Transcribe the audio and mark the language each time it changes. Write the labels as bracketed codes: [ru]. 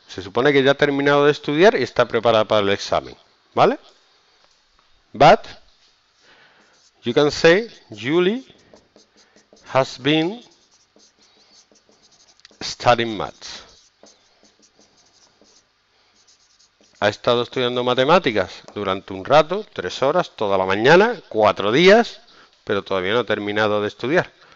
[es] Se supone que ya ha terminado de estudiar y está preparada para el examen, ¿vale? [en] But you can say Julie has been studying maths. [es] Ha estado estudiando matemáticas durante un rato, 3 horas, toda la mañana, 4 días, pero todavía no ha terminado de estudiar.